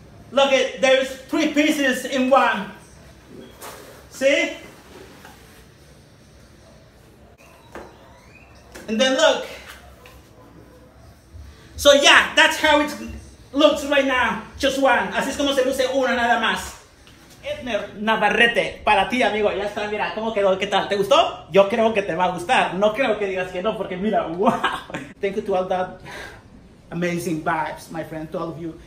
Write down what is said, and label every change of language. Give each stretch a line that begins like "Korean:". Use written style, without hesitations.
English: Look at, there's three pieces in one. See? And then look. So yeah, that's how it looks right now. Just one.
Spanish: Así es como se luce una nada más. Edner Navarrete, para ti, amigo. Ya está, mira, ¿cómo quedó? ¿Qué tal? ¿Te gustó? Yo creo que te va a gustar. No creo que digas que no, porque mira, wow.
English: Thank you to all that amazing vibes, my friend, to all of you.